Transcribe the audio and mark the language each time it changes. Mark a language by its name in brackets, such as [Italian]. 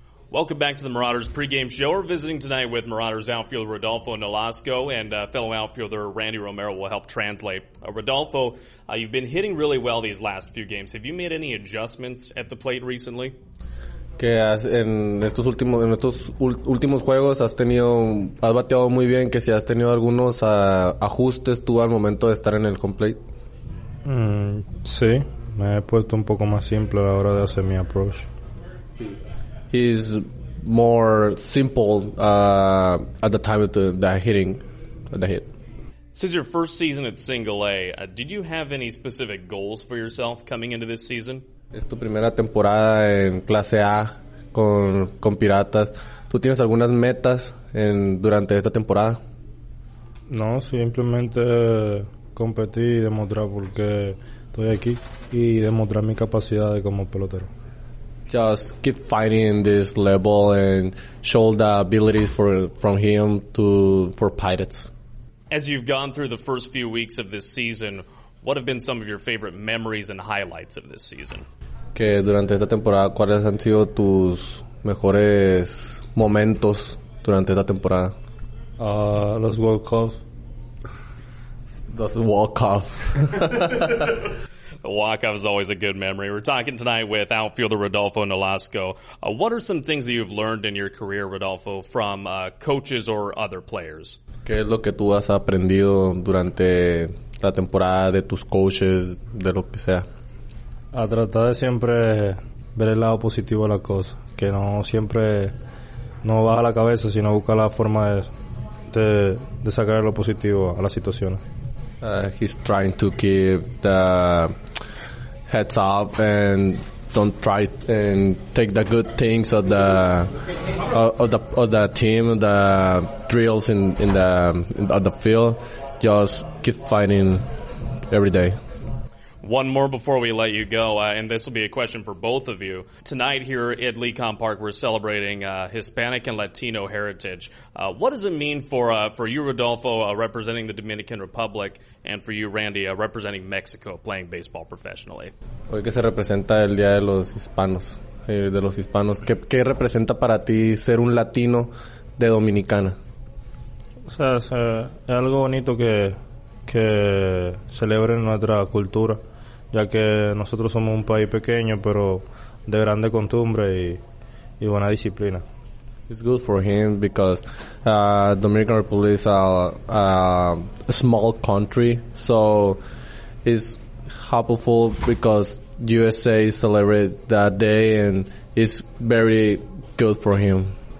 [English] Welcome back to the Marauders pregame show. We're visiting tonight with Marauders outfielder Rodolfo Nolasco and fellow outfielder Randy Romero will help translate. Rodolfo, you've been hitting really well these last few games. Have you made any adjustments at the plate recently? [Spanish] Que en estos últimos juegos has bateado muy bien. Que si has tenido algunos ajustes tú al momento de estar en el home plate. Sí, me he puesto un poco más simple a la hora de hacer mi approach. [English] He's more simple at the time of the hit. Since your first season at Single A, did you have any specific goals for yourself coming into this season? [Spanish] Es tu primera temporada en clase A con Piratas. ¿Tú tienes algunas metas durante esta temporada? No, simplemente competir y demostrar por qué estoy aquí y demostrar mi capacidad como pelotero. [English] Just keep fighting this level and show the abilities from him for Pirates. As you've gone through the first few weeks of this season, what have been some of your favorite memories and highlights of this season? [Spanish] Que durante esta temporada, ¿cuáles han sido tus mejores momentos durante esta temporada? Los World Cups. Los World Cups. [English] The walk-off is always a good memory. We're talking tonight with outfielder Rodolfo Nolasco. What are some things that you've learned in your career, Rodolfo, from coaches or other players? [Spanish] ¿Qué es lo que tú has aprendido durante la temporada de tus coaches, de lo que sea? A tratar de siempre ver el lado positivo de la cosa. Que no siempre no baja la cabeza, sino busca la forma de sacar lo positivo a la situación. [English] He's trying to keep the heads up and don't try and take the good things of the team, the drills on the field. Just keep fighting every day. One more before we let you go, and this will be a question for both of you. Tonight here at Lecom Park, we're celebrating Hispanic and Latino heritage. What does it mean for you, Rodolfo, representing the Dominican Republic, and for you, Randy, representing Mexico, playing baseball professionally? [Spanish] Hoy que se representa el Día de los Hispanos. ¿Qué representa para ti ser un latino de Dominicana? O sea, es algo bonito que celebren nuestra cultura, ya que nosotros somos un país pequeño, pero de grande costumbre y buena disciplina. [English] It's good for him because Dominican Republic is a small country, so it's helpful because USA celebrate that day, and it's very good for him.